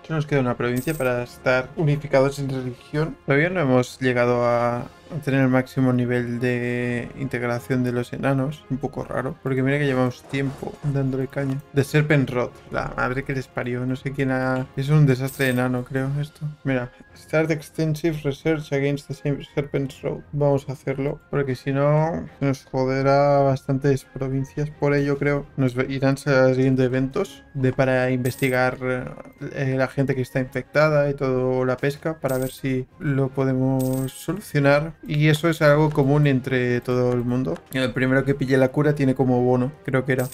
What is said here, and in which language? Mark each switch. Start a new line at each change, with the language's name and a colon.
Spanish: Solo nos queda una provincia para estar unificados en religión. Todavía no hemos llegado a tener el máximo nivel de integración de los enanos. Un poco raro, porque mira que llevamos tiempo dándole caña. The Serpent Rod, la madre que les parió. No sé quién ha... Es un desastre de enano, creo, esto. Mira,
English: start extensive research against the Serpent Rod.
Spanish: Vamos a hacerlo, porque si no, nos joderá bastantes provincias. Por ello, creo, nos irán saliendo eventos de para investigar la gente que está infectada y toda la pesca, para ver si lo podemos solucionar. Y eso es algo común entre todo el mundo. El primero que pille la cura tiene como bono, creo que era.